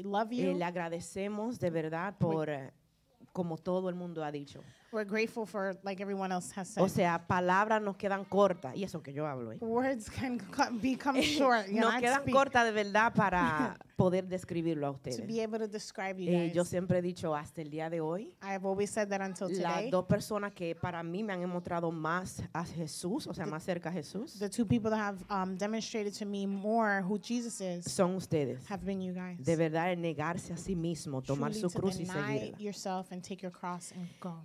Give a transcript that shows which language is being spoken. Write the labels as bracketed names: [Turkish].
[Spanish] Le agradecemos de verdad por, como todo el mundo ha dicho. [English] We're grateful for, like everyone else has said. [Spanish] O sea, palabras nos quedan cortas. Y eso que yo hablo. [English] Words can become short. [Spanish] Nos quedan cortas de verdad para poder describirlo a ustedes. [English] To be able to describe you guys. [Spanish] Yo siempre he dicho hasta el día de hoy. [English] I've always said that until today. [Spanish] Las dos personas que para mí me han mostrado más a Jesús, o sea, más cerca a Jesús. [English] The two people that have demonstrated to me more who Jesus is. [Spanish] Son ustedes. [English] Have been you guys. [Spanish] De verdad, el negarse a sí mismo, tomar su cruz y seguirla. [English] Truly to deny yourself and take your cross and go.